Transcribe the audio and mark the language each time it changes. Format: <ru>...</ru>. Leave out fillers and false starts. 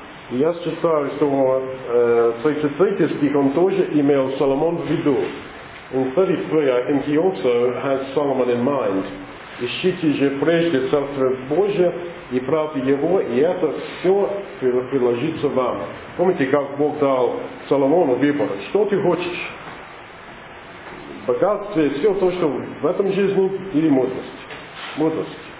<ru>Я считаю, что 33 стих он тоже имел Соломон в виду.</ru> <en>In 33, I think he also has Solomon in mind.</en> <ru>Ищите же прежде Царство Божие и правды Его, и это все приложится вам. Помните, как Бог дал Соломону выбор? Что ты хочешь? Богатство, все то, что в этом жизни, или мудрость? Мудрость.</ru>